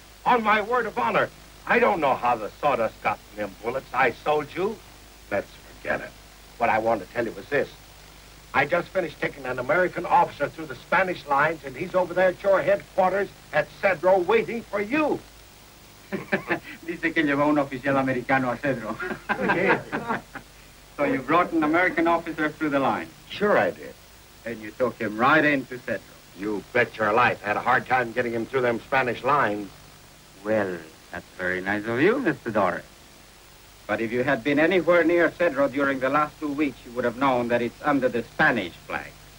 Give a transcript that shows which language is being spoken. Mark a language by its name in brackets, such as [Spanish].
[English] On my word of honor, I don't know how the sawdust got them bullets I sold you. Let's forget it. What I wanted to tell you was this. I just finished taking an American officer through the Spanish lines, and he's over there at your headquarters at Cedro waiting for you. [Spanish] Dice que llevó un oficial americano a Cedro. [English] Yes. So you brought an American officer through the line? Sure I did. And you took him right into Cedro? You bet your life. I had a hard time getting him through them Spanish lines. Well, that's very nice of you, Mr. Doris. But if you had been anywhere near Cedro during the last 2 weeks, you would have known that it's under the Spanish flag.